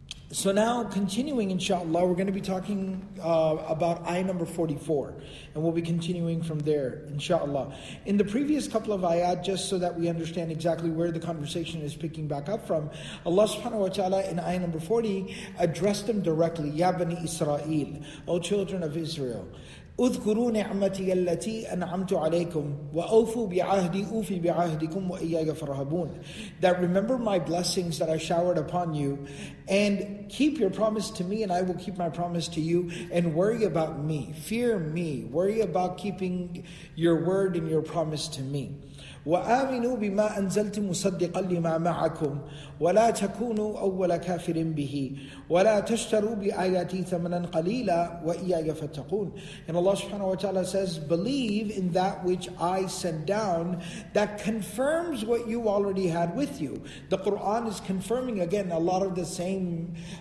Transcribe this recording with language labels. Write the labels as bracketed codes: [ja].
[en] So now, continuing inshallah, we're going to be talking about ayah number 44. And we'll be continuing from there, inshallah. In the previous couple of ayat, just so that we understand exactly where the conversation is picking back up from, Allah subhanahu wa ta'ala in ayah number 40 addressed them directly, Ya Bani Israel, O children of Israel. [ar] اذكروا نعمتي التي أنعمت عليكم وأوفوا بعهدي أوفي بعهدكم وإياي فرهبون. [en] That remember my blessings that I showered upon you, and keep your promise to me, and I will keep my promise to you, and worry about me, fear me, worry about keeping your word and your promise to me. [ar] وآمنوا بما أنزلت مصدقا لما معكم ولا تكونوا أول كافر به ولا تشتروا بآياتي ثمنا قليلا وإياي فاتقون. [en] And Allah subhanahu wa ta'ala says, believe in that which I send down that confirms what you already had with you. The Quran is confirming again a lot of the same